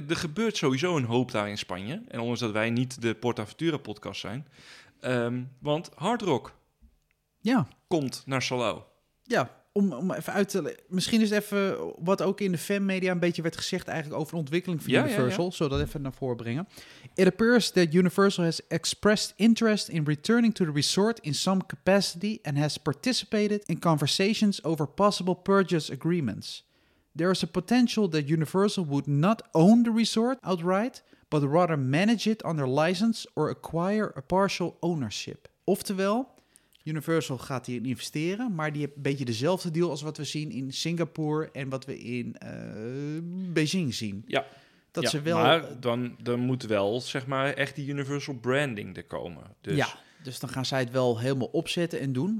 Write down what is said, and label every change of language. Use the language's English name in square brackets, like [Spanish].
[Dutch] er gebeurt sowieso een hoop daar in Spanje. En ondanks dat wij niet de PortAventura-podcast zijn. Want Hard Rock komt naar Salau. Ja, om even uit te leggen. Misschien is het even wat ook in de fanmedia een beetje werd gezegd eigenlijk over de ontwikkeling van Universal. Ja. Zodat even naar voren brengen. [English] It appears that Universal has expressed interest in returning to the resort in some capacity and has participated in conversations over possible purchase agreements. There is a potential that Universal would not own the resort outright, but rather manage it under license or acquire a partial ownership. [Dutch] Oftewel, Universal gaat hierin investeren, maar die heeft een beetje dezelfde deal als wat we zien in Singapore en wat we in Beijing zien. Ja. Dat ze wel, maar dan moet wel, zeg maar, echt die Universal branding er komen. Dus. Ja, dus dan gaan zij het wel helemaal opzetten en doen.